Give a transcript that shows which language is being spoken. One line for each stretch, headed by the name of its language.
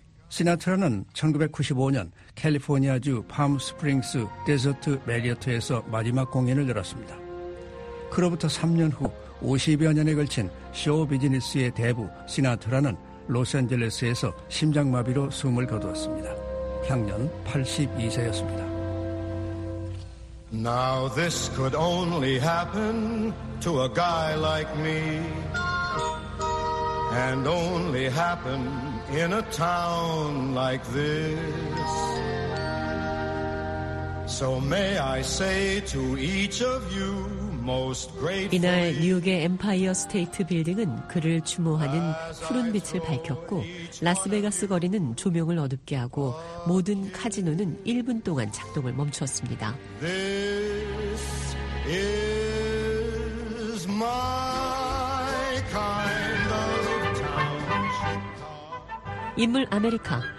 Korean: 시나트라는 1995년 캘리포니아주 팜스프링스 데저트 메리어트에서 마지막 공연을 열었습니다. 그로부터 3년 후 50여 년에 걸친 쇼 비즈니스의 대부 시나트라는 로스앤젤레스에서 심장마비로 숨을 거두었습니다. 향년 82세였습니다.
English: Now this could only happen to a guy like me and only happen in a town like this. So may I say to each of you
Korean: 이날 뉴욕의 엠파이어 스테이트 빌딩은 그를 추모하는 푸른 빛을 밝혔고 라스베가스 거리는 조명을 어둡게 하고 모든 카지노는 1분 동안 작동을 멈추었습니다.
English: This is my kind of town.
Korean: 인물 아메리카.